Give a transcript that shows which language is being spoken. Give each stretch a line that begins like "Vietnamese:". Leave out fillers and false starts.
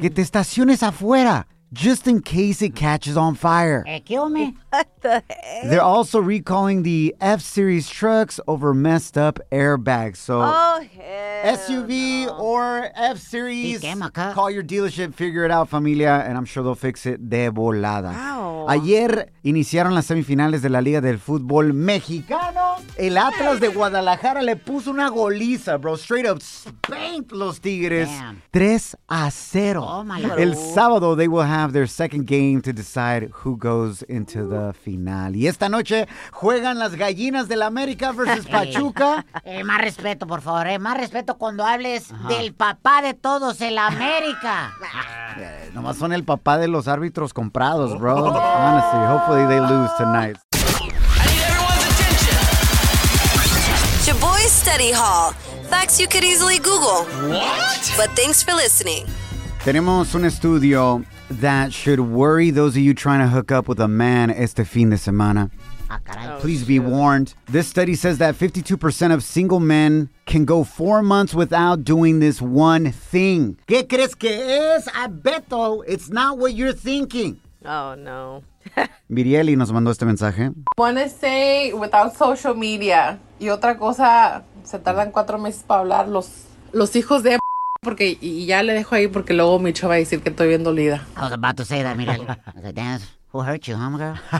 Spanish: que te estaciones afuera,
English: just in case it catches on fire. Hey, kill me. What the heck? They're also recalling the F-Series trucks over messed up airbags. So, SUV or F-Series, call your dealership, figure it out, familia, and I'm sure they'll fix it
Spanish: de volada.
English: Wow.
Spanish: Ayer iniciaron las semifinales de la Liga del Fútbol Mexicano. El Atlas de Guadalajara le puso una goliza, bro.
English: Straight up spanked los Tigres. 3-0. Oh, my God.
Spanish: El sábado,
English: they will have their second game to decide who goes into the final.
Spanish: Y esta noche juegan las Gallinas del América versus Pachuca. Más respeto, por favor. Más respeto cuando hables del papá de todos, el América.
English: Yeah,
Spanish: Nomás son el papá de los árbitros comprados, bro.
English: Honestly, hopefully they lose tonight. Shaboy's Study Hall. Facts you could easily Google. What? But thanks for listening.
Spanish: Tenemos un estudio
English: that should worry those of you trying to hook up with a man
Spanish: este fin de semana.
English: Please be warned. This study says that 52% of single men can go 4 months without doing this one thing.
Spanish: ¿Qué crees que es?
English: I bet though, it's not what you're thinking. Oh, no.
Spanish: Mirieli nos mandó este mensaje.
English: Wanna say without social media.
Spanish: Y otra cosa, se tardan 4 meses para hablar los hijos de... Porque y ya le dejo ahí porque luego mi chava va a decir que estoy bien dolida.
English: I was about to say that, Mirieli. I was like, damn, who hurt you, huh, girl?